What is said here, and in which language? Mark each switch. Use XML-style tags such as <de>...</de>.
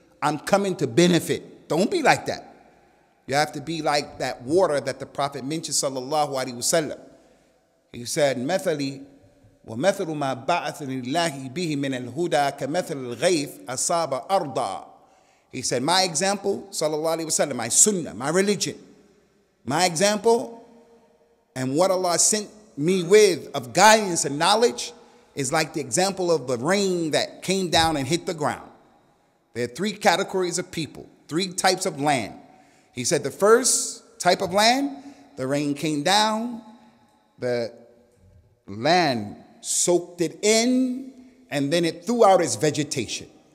<en>I'm coming to benefit. Don't be like that. You have to be like that water that the Prophet mentioned, sallallahu alayhi wa sallam. He said,</en> <ar>مَثَلِي وَمَثَلُ مَا بَعَثَنِ اللَّهِ بِهِ مِنَ الْهُدَىٰ كَمَثَلِ الْغَيْثِ أَصَابَ أَرْضًا.</ar> <en>He said, my example, sallallahu alayhi wa sallam, my sunnah, my religion, my example, and what Allah sent me with of guidance and knowledge is like the example of the rain that came down and hit the ground. There are three categories of people, three types of land. He said the first type of land, the rain came down, the land soaked it in, and then it threw out its vegetation.</en>